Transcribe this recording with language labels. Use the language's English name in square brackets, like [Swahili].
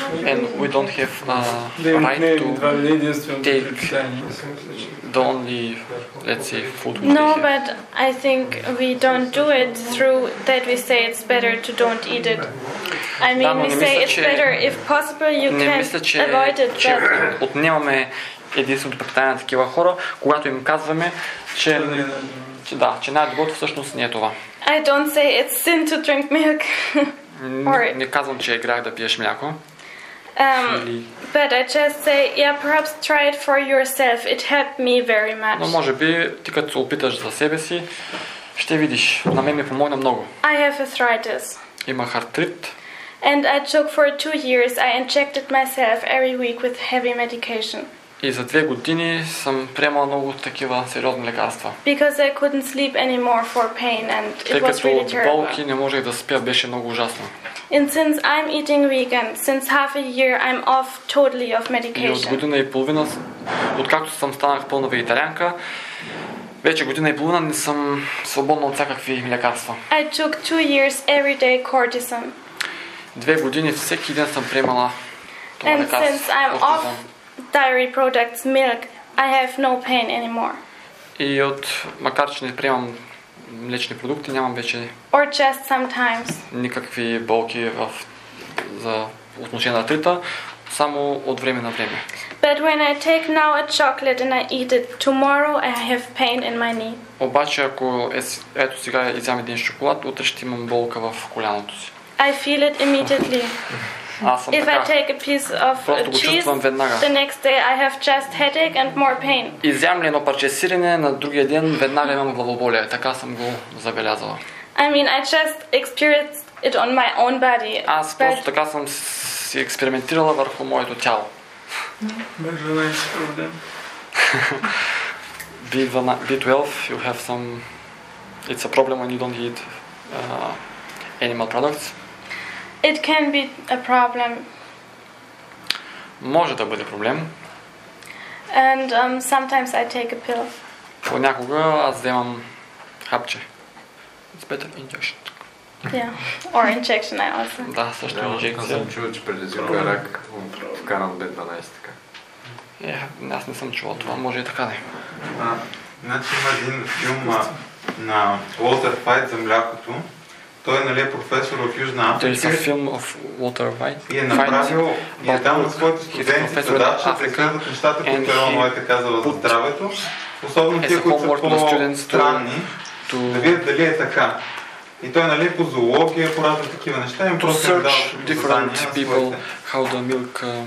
[English] and we don't have a right to take the only, let's say, food. No, but I think we don't do it through that we say it's better to don't eat it. I mean, we say it's better if possible you can avoid it, but... [Bulgarian] Единственото препитание на такива хора, когато им казваме, че, че да, че най-доброто всъщност не е това. [English] I don't say it's sin to drink milk. [Bulgarian] Не казвам, че е грях да пиеш мляко. [English] But I just say, yeah, perhaps try it for yourself. It helped me very much. [Bulgarian] Но може би, ти като се опиташ за себе си, ще видиш. На мен ми помогна много. [English] I have arthritis. [Bulgarian] Имах артрит. [English] And I took for 2 years, I injected myself every week with heavy medication. [Bulgarian] И за 2 години съм приемал много такива сериозни лекарства. [English] Because I couldn't sleep anymore for pain and it was really terrible. [Bulgarian] Тъй като от болки не можех да спя, беше много ужасно. [English] And since I'm eating vegan, since half a year I'm off totally of medication. [Bulgarian] И от година и половина, откакто съм станах пълна вегетарианка, вече година и половина не съм свободна от всякакви лекарства. [English] I took 2 years every day cortisone. [Bulgarian] 2 години всеки ден съм приемала това and лекарство. [English] Since I'm off dairy products, milk, I have no pain anymore. [Bulgarian] И от, макар че не приемам млечни продукти, нямам вече [English] or just sometimes [Bulgarian] никакви болки в, за отношение на артрита, само от време на време. [English] But when I take now a chocolate and I eat it tomorrow, I have pain in my knee. [Bulgarian] Обаче ако ето сега изям един шоколад, утре ще имам болка в коляното си. [English] I feel it immediately. If [Bulgarian] така. [English] I take a piece of cheese, the next day I have just headache and more pain. [Bulgarian] Изям ли едно парче сирене, на другия ден веднага имам главоболие. Така съм го забелязала. [English] I mean, I just experienced it on my own body. [Bulgarian] Аз просто така съм си експериментирала върху моето тяло. [English] B12, you have some... It's a problem when you don't eat animal products. It can be a problem. [Bulgarian] Може да бъде проблем. [English] And sometimes I take a pill. [Bulgarian] Понякога аз вземам хапче. [English] It's better injection. Yeah, or injection I also. [Bulgarian] Да, също инжекция. Аз съм чувал, че предизвиква рак, вкаран B12 така. Аз не съм чувал това, може и така не. Значи има един филм на Walter White за млякото. Той нали, е професор от Южна Африка. [English] There is a film of Walter White. [Bulgarian] И е направил, и е дал на своите студенти задача да прекъсват нещата, които е он моите казал за здравето. Особено тия, които са по-странни, да видят дали е така. И той, нали, по зоология, по разни такива неща, им просто им дава [English] different people how the milk